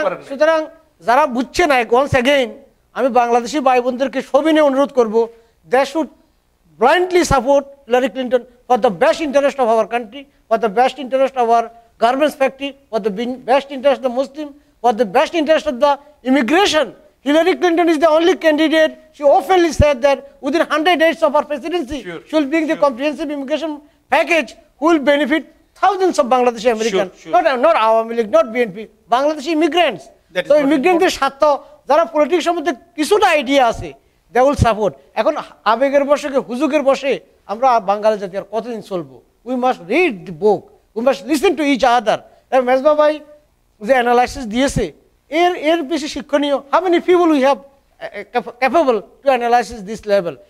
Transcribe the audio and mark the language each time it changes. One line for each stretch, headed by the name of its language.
English: সুতরাং যারা বুঝছে না, ওয়ান্স এগেইন আমি বাংলাদেশি ভাই বোনদেরকে সবিনয়ে অনুরোধ করব, they should blindly support Hillary Clinton for the best interest of our country, for the best interest of our garments factory, for the best interest of Muslim, for the best interest of the immigration. Hillary Clinton is the only candidate. She openly said that within 100 days of her presidency, sure, she will bring the comprehensive immigration package who will benefit thousands of Bangladeshi Americans. Sure, sure. Not Awami League, not BNP, Bangladeshi immigrants.
Bangla: তো ইমিগ্রেন্টদের স্বার্থ যারা politics সম্বন্ধে কিছুটা idea আছে they will support. এখন আবেগের বসে কি হুজুগের বসে আমরা বাঙালি জাতি আর কতদিন চলবো?
English: We must read the book, we must listen to each other. Mezba ভাই যে analysis দিয়েছে এর এর বেশি শিক্ষণীয় how many people we have capable to analysis this level.